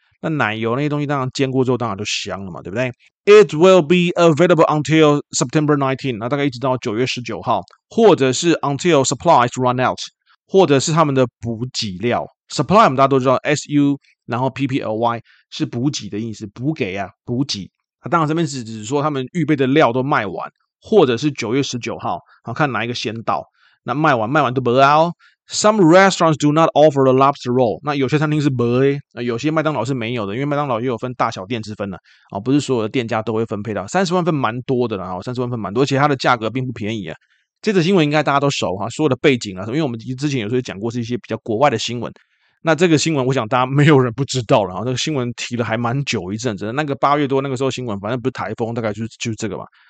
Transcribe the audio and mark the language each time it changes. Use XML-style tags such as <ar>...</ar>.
<zh>那奶油那些东西当然煎过之后当然就香了嘛，对不对 ？</zh> <en>It will be available until September 19，</en> <zh>那大概一直到9月19号，或者是</zh> <en>until supplies run out，</en> <zh>或者是他们的补给料。 Supply 我们大家都知道 ，su 然后 ppply 是补给的意思，补给啊，补给。那当然这边只是说他们预备的料都卖完，或者是9月19号，好看哪一个先到。那卖完都不要哦。</zh> <en>Some restaurants do not offer the lobster roll.</en> <zh>那有些餐厅是没的，有些麦当劳是没有的，因为麦当劳也有分大小店之分的、啊、不是所有的店家都会分配到30万份，蛮多的啦，30万份蛮多，而且它的价格并不便宜啊。这则新闻应该大家都熟哈、啊，所有的背景啊，因为我们之前有时候讲过是一些比较国外的新闻。那这个新闻我想大家没有人不知道了啊，这个新闻提了还蛮久一阵子，那个八月多那个时候新闻，反正不是台风，大概就是这个吧。</zh>